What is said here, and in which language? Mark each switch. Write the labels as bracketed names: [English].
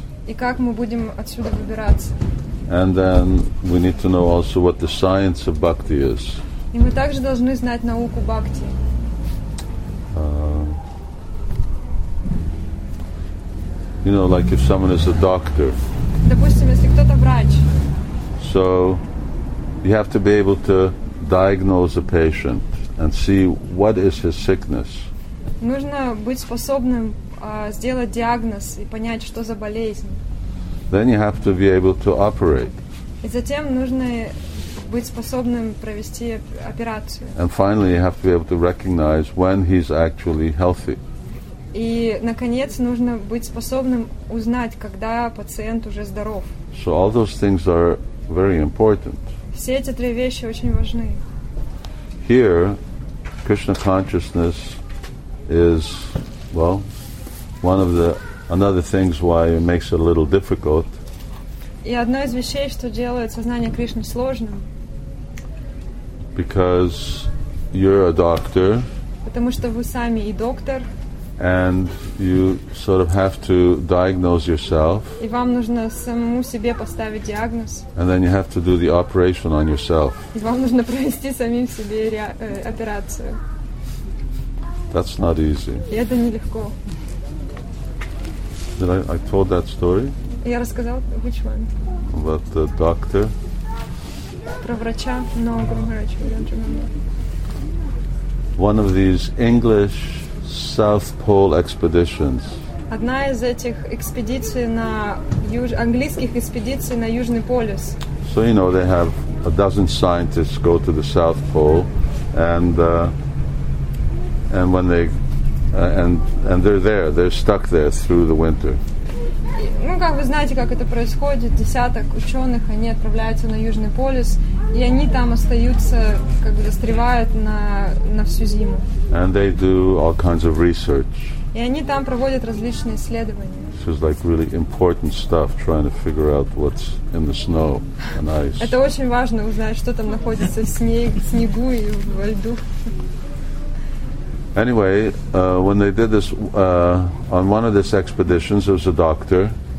[Russian] И как мы будем отсюда выбираться. [English] And then we need to know also what the science of bhakti is. [Russian] И мы также должны знать науку бхакти. [English] You know, like if someone is a doctor. [Russian] Допустим, если кто-то врач. [English] So you have to be able to diagnose a patient and see what is his sickness. [Russian] Нужно быть способным сделать диагноз и понять, что за болезнь. [English] Then you have to be able to operate. [Russian] И затем нужно быть способным провести операцию. [English] And finally, you have to be able to recognize when he's actually healthy. [Russian] И наконец нужно быть способным узнать, когда пациент уже здоров. [English] So all those things are very important. [Russian] Все эти три вещи очень важны. [English] Here, Krishna consciousness is, well, one of the another things why it makes it a little difficult. [Russian] И одно из вещей, что делает сознание Кришны сложным. [English] Because you're a doctor. [Russian] Потому что вы сами и доктор. [English] And you sort of have to diagnose yourself. [Russian] И вам нужно самому себе поставить диагноз. [English] And then you have to do the operation on yourself. [Russian] И вам нужно провести самим себе операцию. [English] That's not easy. [Russian] И это нелегко. [English] Did I told that story? [Russian] Я рассказал, [English] which one? About the doctor. [Russian] Про врача, но про врача, [English] I don't remember. One of these English South Pole expeditions. [Russian] Одна из этих экспедиций на английских экспедиций на Южный полюс. [English] So you know, they have a dozen scientists go to the South Pole, and when they and they're there, they're stuck there through the winter. [Russian] Ну как вы знаете, как это происходит? Десяток ученых они отправляются на Южный полюс, и они там остаются, как бы застревают на всю зиму. [English] And they do all kinds of research. [Russian] И они там проводят различные исследования. [English] This is like really important stuff, trying to figure out what's in the snow and ice. [Russian] Это очень важно узнать, что там находится в снегу и в льду. [English] Anyway, when they did this on one of these expeditions, there was a doctor.